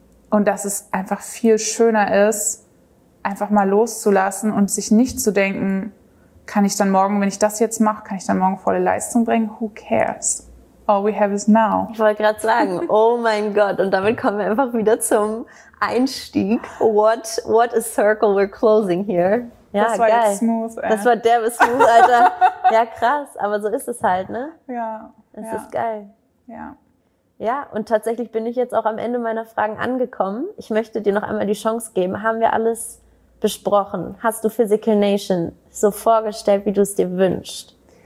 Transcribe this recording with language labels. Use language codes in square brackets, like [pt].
[de] Und dass es einfach viel schöner ist, einfach mal loszulassen und sich nicht zu denken, kann ich dann morgen, wenn ich das jetzt mache, kann ich dann morgen volle Leistung bringen? [en] Who cares? All we have is now. [de] Ich wollte gerade sagen, oh mein Gott. Und damit kommen wir einfach wieder zum Einstieg. [en] What a circle we're closing here. [de] Ja, das war geil. Smooth, ey. Das war derbe smooth, Alter. Ja, krass. Aber so ist es halt, ne? Ja. Es ist geil. Ja. Ja, und tatsächlich bin ich jetzt auch am Ende meiner Fragen angekommen. Ich möchte dir noch einmal die Chance geben. Haben wir alles besprochen? Hast du Physical Nation so vorgestellt, wie du es dir wünschst?